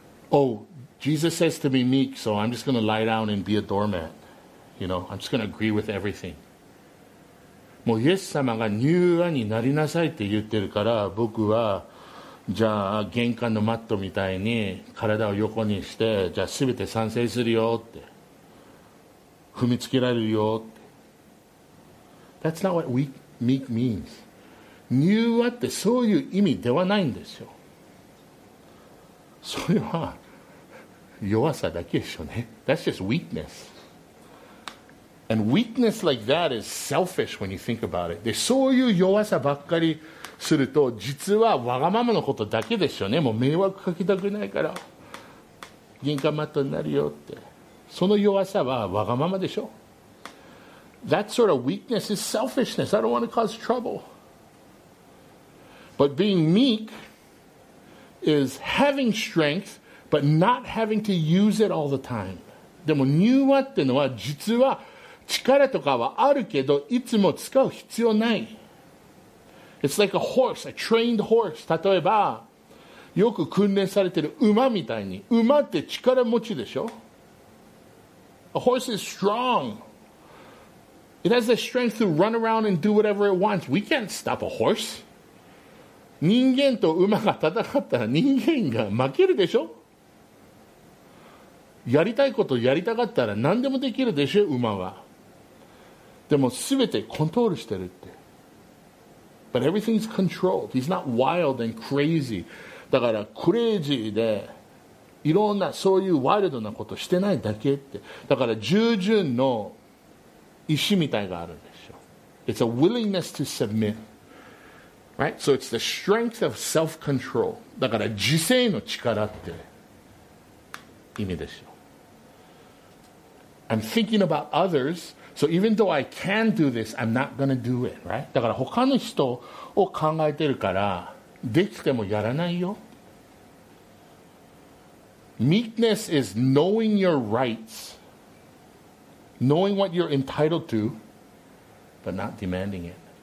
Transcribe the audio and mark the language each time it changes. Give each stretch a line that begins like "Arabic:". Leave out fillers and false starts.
English: Oh, Jesus says to be meek, so I'm just going to lie down and be a doormat. You know, I'm just going to agree with everything.
Japanese: もうイエス様が柔和になりなさいって言ってるから僕はじゃあ玄関のマットみたいに体を横にしてじゃあ全て賛成するよって踏みつけられるよって
English: That's not what weak, meek means
Japanese: 柔和ってそういう意味ではないんですよそれは弱さだけでしょうね
English: That's just weakness. And weakness like that is selfish when you think about it.
Japanese: で、そういう弱さばっかりすると、実はわがままのことだけでしょうね。もう迷惑かけたくないから、銀貨マットになるよって。その弱さはわがままでしょ。
English: That sort of weakness is selfishness. I don't want to cause trouble. But being meek is having strength, but not having to use it all the time.
Japanese: でも、柔和ってのは実は、力とかはあるけど、いつも使う必要ない。
English: It's like a horse, a trained horse.
Japanese: 例えば、よく訓練されてる馬みたいに。馬って力持ちでしょ?
English: A horse is strong. It has the strength to run around and do whatever it wants. We can't stop a horse.
Japanese: 人間と馬が戦ったら人間が負けるでしょ。やりたいことやりたかったら何でもできるでしょ、馬は。でも全てコントロールしてるって。
English: But everything's controlled. He's not wild and crazy.
Japanese: だからクレイジーでいろんなそういうワイルドなことしてないだけって。だから従順の意志みたいがあるんですよ。
English: It's a willingness to submit. Right? So it's the strength of self-control.
Japanese: だから自制の力って意味ですよ。
English: I'm thinking about others, so even though I can do this, I'm not going to do it, right?
Japanese: だから他の人を考えてるから、できてもやらないよ。
English: Meekness is knowing your rights, knowing what you're entitled to, but not demanding it.